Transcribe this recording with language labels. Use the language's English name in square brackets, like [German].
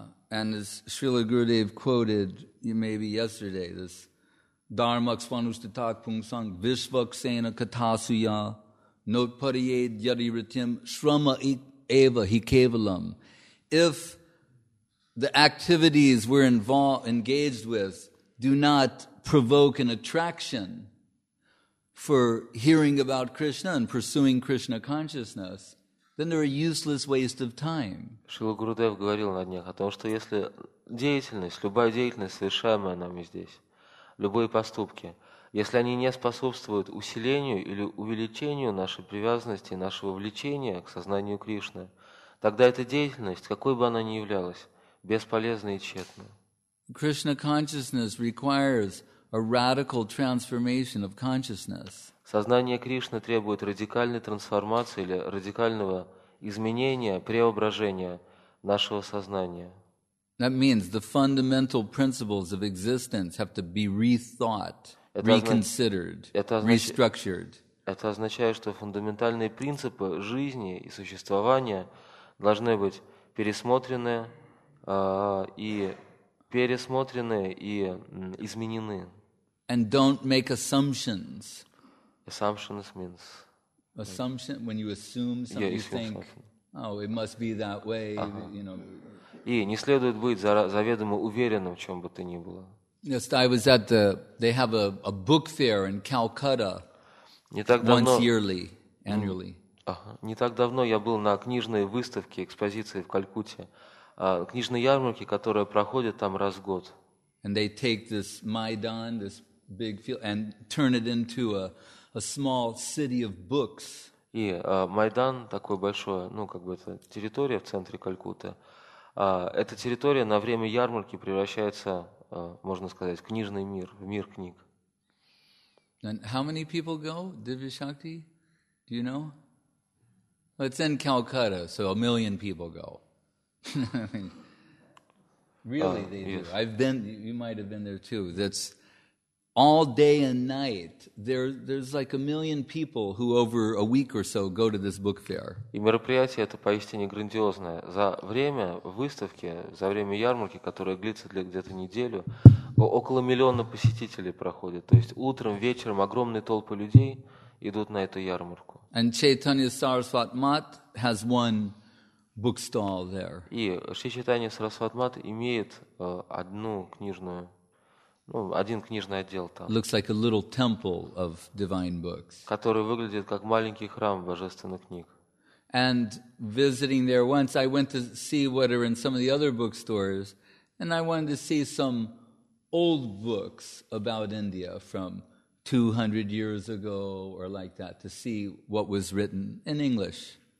[English] And as Srila Gurudev quoted maybe yesterday, this [Sanskrit] Dharmak Svanustitak Pungsang Vishvaksena Katasuya Notpariyed Yadiritim Shrama Eva Hikevalam. [English] If the activities we're engaged with do not provoke an attraction for hearing about Krishna and pursuing Krishna consciousness, then they're a useless waste of time. [Russian] Шрила Гурудев говорил на днях о том, что если деятельность, любая деятельность, совершаемая нами здесь, любые поступки, если они не способствуют усилению или увеличению нашей привязанности, нашего влечения к сознанию Кришны, тогда эта деятельность, какой бы она ни являлась, бесполезна и тщетна. [English] Krishna consciousness requires a radical transformation of consciousness. [Russian] Сознание Кришны требует радикальной трансформации или радикального изменения, преображения нашего сознания. [English] That means the fundamental principles of existence have to be rethought, reconsidered, restructured. [Russian] Это означает, что фундаментальные принципы жизни и существования должны быть пересмотрены, и изменены. [English] And don't make assumptions. Assumptions means assumption, like, when you assume something, yeah, you think something. Oh, it must be that way, uh-huh. You know. [Russian] И не следует быть заведомо уверенным в чём бы то ни было. [English] Yes, I was at the, they have a book fair in Calcutta. [Russian] Не так давно, [English] once yearly, annually. [Russian] Не так давно я был на книжной выставке, экспозиции в Калькутте, книжной ярмарке, которая проходит там раз в год. [English] And they take this Maidan, this big field, and turn it into a small city of books. [Russian] И Майдан, такое большое, ну, как бы это территория в центре Калькутты, эта территория на время ярмарки превращается, можно сказать, в книжный мир, в мир книг. [English] And how many people go, Divya Shakti? Do you know? Well, it's in Calcutta, so a million people go. Really, they do. Yes. I've been, you might have been there too. That's all day and night. There's like a million people who over a week or so go to this book fair. [Russian] И мероприятие это поистине грандиозное. За время выставки, за время ярмарки, которая длится где-то неделю, около миллиона посетителей проходит. То есть утром, вечером огромные толпы людей идут на эту ярмарку. [English] And Chaitanya Sarasvat Math has one book stall there. [Russian] И Шри Чайтанья Сарасват Мат имеет одну книжную, ну, один книжный отдел там. [English] Looks like a little temple of divine books. [Russian] Который выглядит как маленький храм божественных книг. [English] And visiting there once, I went to see what are in some of the other bookstores, and I wanted to see some old books about India from 200 years ago or like that, to see what was written in English.